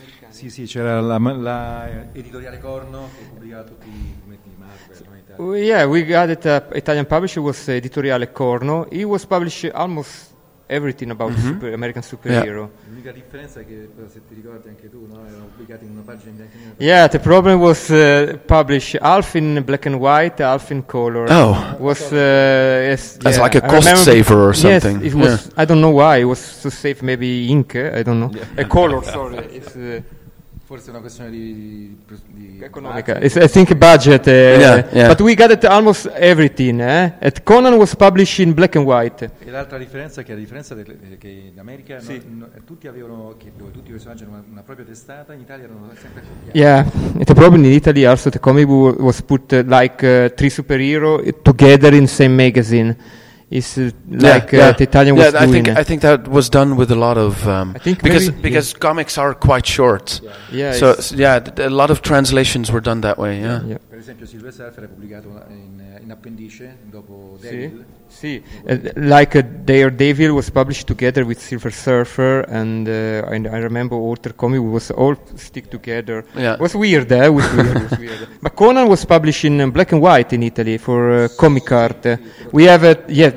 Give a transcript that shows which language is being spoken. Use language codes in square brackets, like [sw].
[it] Sì, sì, c'era la editoriale Corno che pubblicava tutti i fumetti di Marvel. [en] We got it. Italian publisher was editoriale Corno. He was published almost everything about American superhero. [it] L'unica differenza è che, se ti ricordi anche tu, no, era pubblicato in una pagina bianca e nera. [en] Yeah, the problem was published half in black and white, half in color. Oh, was as like a cost saver or something. Yes, it was. I don't know why it was to save maybe ink. I don't know. Yeah. A color, sorry. It's, [it] forse una questione di economica. [en] I think budget. But we got it almost everything. At Conan was published in black and white. [it] E l'altra differenza è che la differenza che in America tutti avevano tutti i personaggi hanno una propria testata. In Italia erano sempre copiati. [en] Yeah, the problem in Italy also the comic was put like three superhero together in same magazine. Is the Italian was doing. I think that was done with a lot of because comics are quite short. A lot of translations were done that way. [it] Per esempio, Silver Surfer ha pubblicato in appendice dopo Devil. Sì. [en] Daredevil was published together with Silver Surfer, and I remember Alter Comic was all stick together. Yeah. It was weird. It was weird. But Conan was published in black and white in Italy for comic art. We have it.